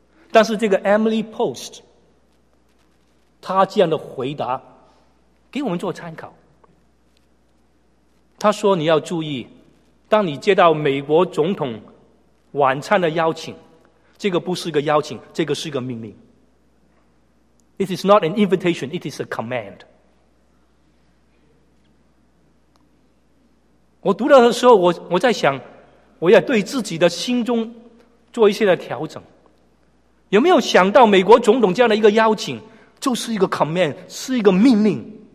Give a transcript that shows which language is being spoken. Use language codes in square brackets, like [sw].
[zh] 但是这个 Emily Post 他这样的回答给我们做参考。他说，你要注意，当你接到美国总统晚餐的邀请，这个不是个邀请，这个是个命令。 [en] It is not an invitation, it is a command. [zh] 我读到的时候，我在想，我要对自己的心中做一些的调整。有没有想到美国总统这样的一个邀请，就是一个 command， 是一个命令。